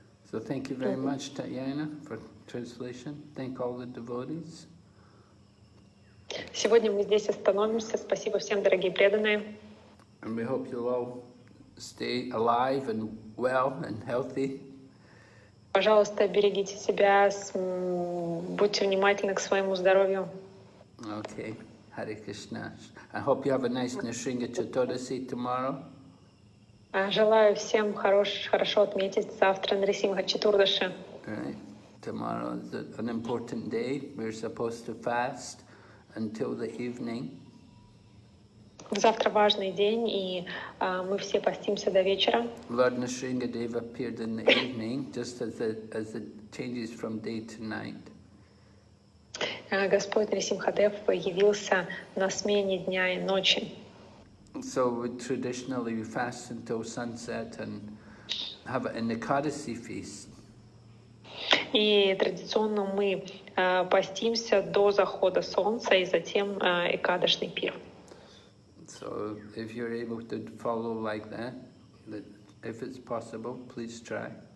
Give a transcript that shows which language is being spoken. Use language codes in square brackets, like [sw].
[en] So thank you very much, Tatyana, for translation. Thank all the devotees. [ru] Сегодня мы здесь остановимся. Спасибо всем, дорогие преданные. [en] And we hope you'll all stay alive and well and healthy. [ru] Пожалуйста, берегите себя, будьте внимательны к своему здоровью. [en] Okay. Hare Krishna. I hope you have a nice Nrisinga Chaturdasi tomorrow. [ru] Желаю всем хорошо отметить завтра Нрисимха Чатурдаши. [en] Tomorrow is an important day. We're supposed to fast until the evening. [ru] Завтра важный день, и мы все постимся до вечера. [en] Lord Nrisingadeva appeared in the evening, just as it changes from day to night. [ru] Господь Нрисимхадев появился на смене дня и ночи. [en] So we traditionally we fast until sunset and have an Ekadasi feast. [ru] И традиционно мы постимся до захода солнца и затем Экадашный пир. [en] So if you're able to follow like that, if it's possible, please try.